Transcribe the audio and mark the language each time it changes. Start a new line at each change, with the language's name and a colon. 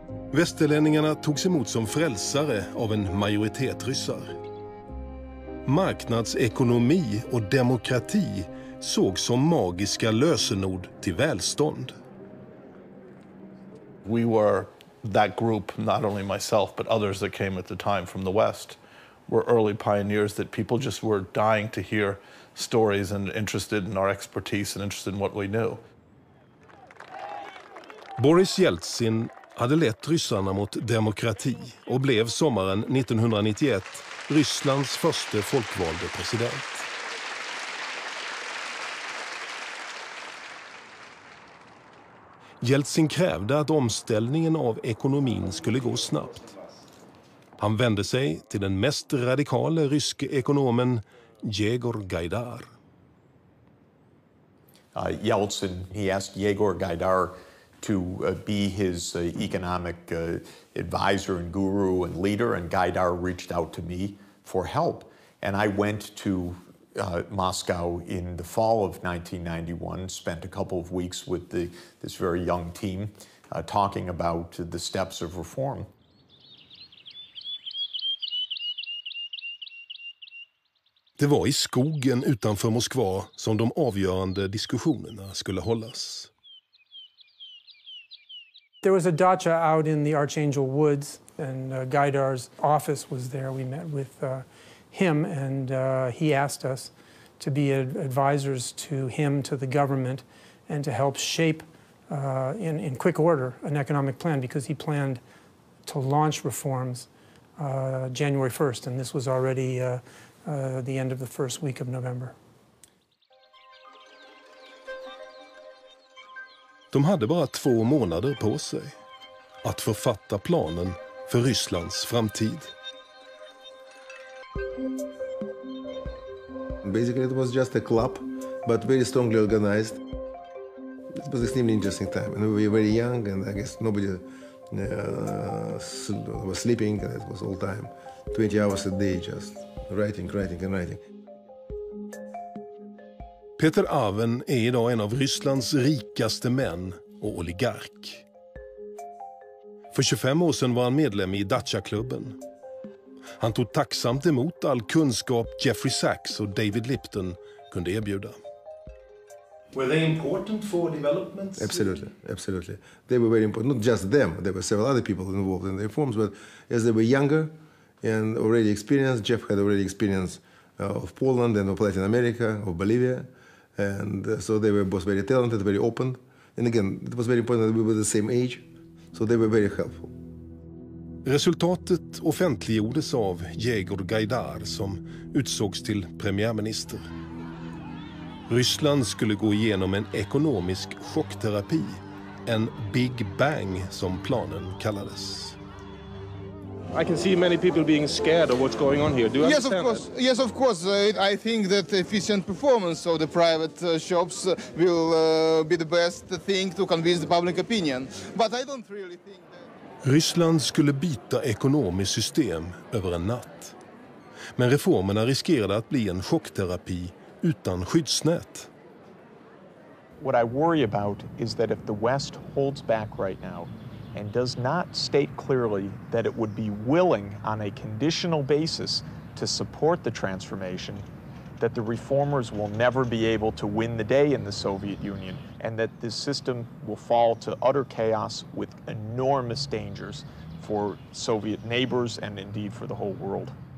Swedish: Västerlänningarna togs emot som frälsare av en majoritet ryssar. Marknadsekonomi och demokrati sågs som magiska lösenord till välstånd.
English: We were that group, not only myself but others that came at the time from the West, were early pioneers that people just were dying to hear stories and interested in our expertise and interested in what we knew.
Swedish: Boris Jeltsin hade lett ryssarna mot demokrati och blev sommaren 1991 Rysslands första folkvalde president. Jeltsin krävde att omställningen av ekonomin skulle gå snabbt. Han vände sig till den mest radikala ryske ekonomen Yegor Gaidar.
English: Jeltsin, he asked Yegor Gaidar to be his economic advisor and guru and leader, and Gaidar reached out to me for help. And I went to Moscow in the fall of 1991, spent a couple of weeks with this very young team talking about the steps of reform.
Swedish: Det var i skogen utanför Moskva som de avgörande diskussionerna skulle hållas.
English: There was a dacha out in the Archangel Woods, and Gaidar's office was there. We met with him, and he asked us to be advisors to him, to the government, and to help shape in quick order an economic plan, because he planned to launch reforms January 1st, and this was already the end of the first week of November.
Swedish: De hade bara 2 månader på sig att författa planen för Rysslands framtid.
English: Basically it was just a club, but very strongly organized. It was extremely interesting time, and we were very young, and I guess nobody was sleeping. It was all time, 20 hours a day, just writing, writing, and writing.
Swedish: Peter Aven är idag en av Rysslands rikaste män och oligark. För 25 år sedan var han medlem i Dacia-klubben. Han tog tacksamt emot all kunskap Jeffrey Sachs och David Lipton kunde erbjuda.
English: Were they important for development? Absolutely, absolutely. They were very important. Not just them, there were several other people involved in the reforms, but as they were younger and already experienced, Jeff had already experience of Poland and of Latin America, of Bolivia. And so they were both very talented, very open. And again, it was very important that we were the same age. So they were very helpful.
Swedish: Resultatet offentliggjordes av Yegor Gaidar som utsågs till premiärminister. Ryssland skulle gå igenom en ekonomisk chockterapi. En big bang som planen kallades.
English: I can see many people being scared of what's going on here. Do you understand? Yes, of course. Yes, of course. I think that efficient performance of the private shops will be the best thing to convince the public opinion. But I don't really think that...
Swedish: Ryssland skulle byta ekonomiskt system över en natt. Men reformerna riskerade att bli en chockterapi utan skyddsnät.
English: What I worry about is that if the West holds back right now and does not state clearly that it would be willing on a conditional basis to support the transformation, that the reformers will never be able to win the day in the Soviet Union, and that this system will fall to utter chaos with enormous dangers for Soviet neighbors and indeed for the whole world.